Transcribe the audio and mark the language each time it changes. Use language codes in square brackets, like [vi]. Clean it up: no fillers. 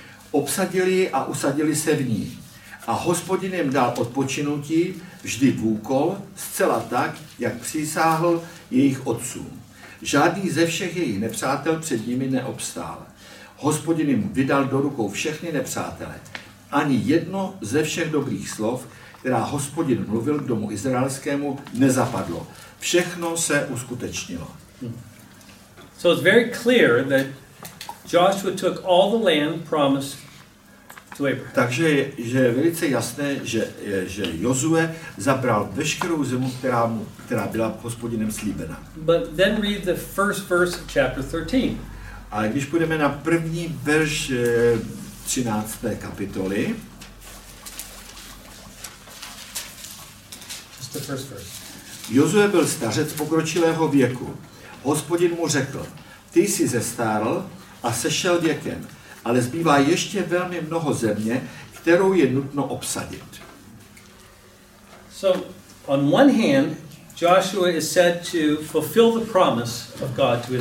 [cs] Obsadili ji a usadili se v ní. A Hospodin jim dal odpočinutí vždy v úkol, zcela tak, jak přísáhl jejich otcům. Žádný ze všech jejich nepřátel před nimi neobstál. Hospodin jim vydal do rukou všechny nepřátele. Ani jedno ze všech dobrých slov, která Hospodin mluvil k domu izraelskému, nezapadlo. Všechno se uskutečnilo. [en] So it's very clear that Joshua took all the land promised to Abraham. [cs] Takže že je velice jasné, že Josué zabral veškerou zemu, která byla Hospodinem slíbena. [en] But then read the first verse of chapter 13. [cs] A když půjdeme na první verš 13. kapitoly. Josué byl stařec pokročilého věku. Hospodin mu řekl, ty jsi zestárl a sešel věkem, ale zbývá ještě velmi mnoho země, kterou je nutno obsadit. [en] So, on one hand, Joshua is said to fulfill the promise of God to Israel.